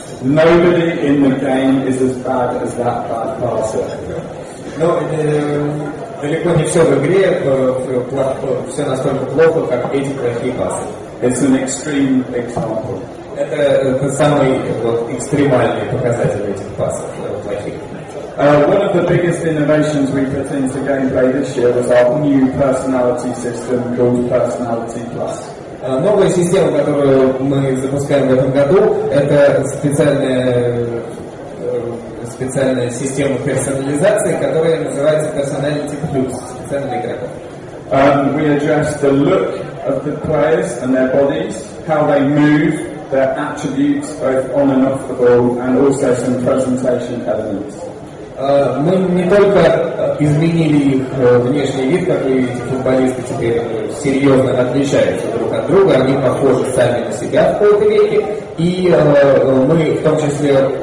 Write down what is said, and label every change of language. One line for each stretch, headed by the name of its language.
English: Nobody in the game is as bad as that bad passer.
Russian: Но далеко не все в игре все настолько плохо, как эти плохие пасы.
English: It's an extreme example.
Russian: Это самый экстремальный показатель этих пасов плохих.
English: One of the biggest innovations we put into gameplay this year was our new personality system called Personality Plus.
Russian: Новая система, которую мы запускаем в этом году, это специальная система персонализации, которая называется Personality Plus, специальный игрок.
English: We address the look of the players and their bodies, how they move, their attributes, both on and off the ball, and also some presentation elements.
Russian: Мы не только изменили их внешний вид, как вы видите, футболисты теперь серьезно отличаются друг от друга, они похожи сами на себя в какой-то веке, и мы в том числе